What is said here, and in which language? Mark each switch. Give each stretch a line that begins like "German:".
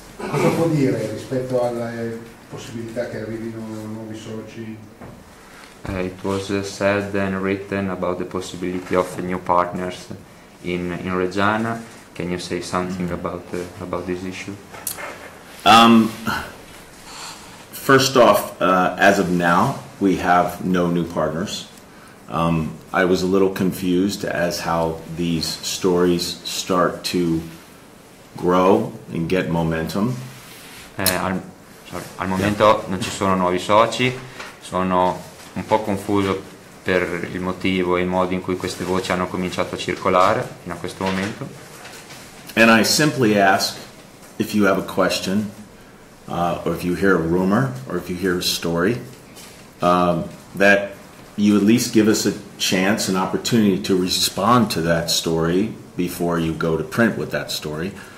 Italian: Cosa può dire rispetto alla possibilità che arrivino nuovi soci?
English: It was said and written about the possibility of new partners in Reggiana. Can you say something about this issue? First off, as of now, we have no new partners. I was a little confused as how these stories start to grow and get momentum.
Italian: Al momento non ci sono nuovi soci, sono un po' confuso per il motivo e il modo in cui queste voci hanno cominciato a circolare fino a questo momento.
English: And I simply ask if you have a question, or if you hear a rumor, or if you hear a story, that you at least give us a chance, an opportunity to respond to that story before you go to print with that story.